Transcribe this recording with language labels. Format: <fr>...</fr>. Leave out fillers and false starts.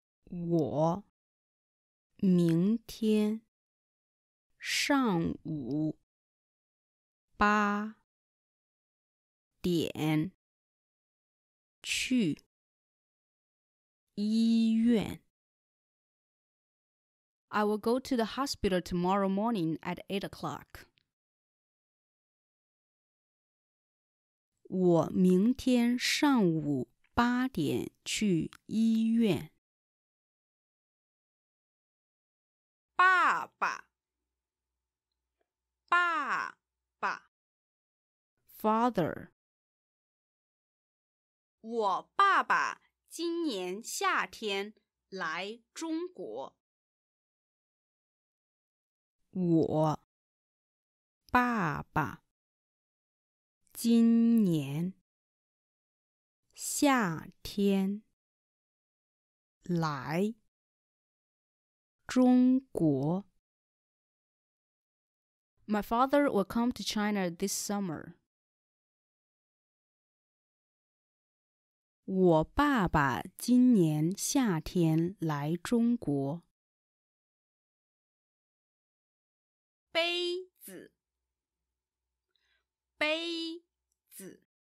<zh>我明天上午八点去医院。</zh> <en>I will go to the hospital tomorrow morning at 8 o'clock.</en> <zh>我明天上午八点去医院。爸爸，爸爸</zh> <en>，Father。</en> <zh>我爸爸今年夏天来中国。我爸爸今年夏天来中国。</zh> <en>My father will come to China this summer.</en> <zh>我爸爸今年夏天来中国。杯子，杯子</zh>